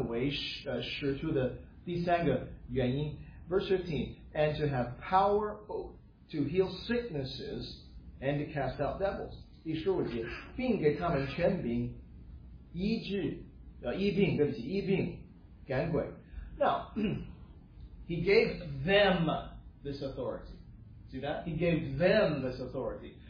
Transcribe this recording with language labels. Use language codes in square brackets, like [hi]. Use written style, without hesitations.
[zh] 就是主耶稣基督呼召他们设立他们为使徒的第三个原因, [en] verse 15, and to have power to heal sicknesses and to cast out devils. [zh] 第十五节, 并给他们权柄医病赶鬼. [en] Now, he gave them this authority. See that? He gave them this authority.